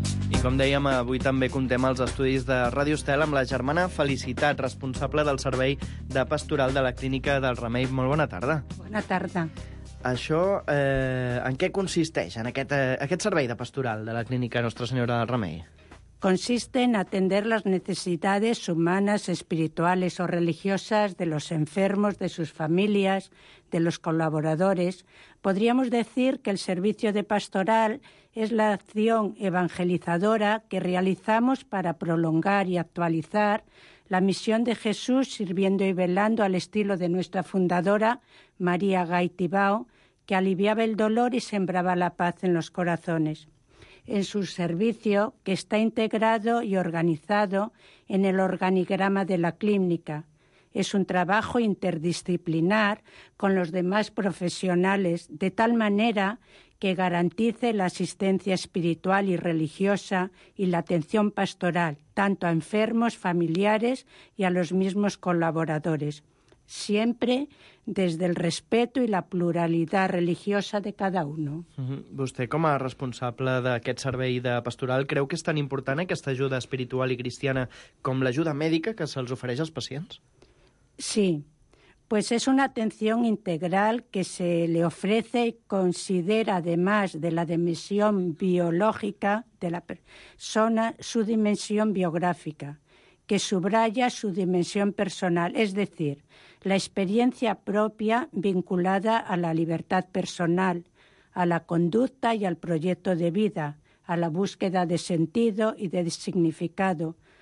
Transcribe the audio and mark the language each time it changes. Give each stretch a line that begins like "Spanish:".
Catalan: I com dèiem, avui també comptem els estudis de Ràdio Estel amb la germana Felicitat, responsable del servei de pastoral de la Clínica del Remei. Molt bona tarda. Bona tarda. Això, en què consisteix, en aquest servei de pastoral de la Clínica Nostra Senyora del Remei?
Spanish: Consiste en atender las necesidades humanas, espirituales o religiosas de los enfermos, de sus familias, de los colaboradores. Podríamos decir que el servicio de pastoral es la acción evangelizadora que realizamos para prolongar y actualizar la misión de Jesús sirviendo y velando al estilo de nuestra fundadora, María Gaitibao, que aliviaba el dolor y sembraba la paz en los corazones. En su servicio, que está integrado y organizado en el organigrama de la clínica, es un trabajo interdisciplinar con los demás profesionales, de tal manera que garantice la asistencia espiritual y religiosa y la atención pastoral, tanto a enfermos, familiares y a los mismos colaboradores, siempre desde el respeto y la pluralidad religiosa de cada uno.
Catalan: Vostè, com a responsable d'aquest servei de pastoral, creu que és tan important aquesta ajuda espiritual i cristiana com l'ajuda mèdica que se'ls ofereix als pacients?
Spanish: Sí, pues es una atención integral que se le ofrece y considera, además de la dimensión biológica de la persona, su dimensión biográfica, que subraya su dimensión personal, es decir, la experiencia propia vinculada a la libertad personal, a la conducta y al proyecto de vida, a la búsqueda de sentido y de significado,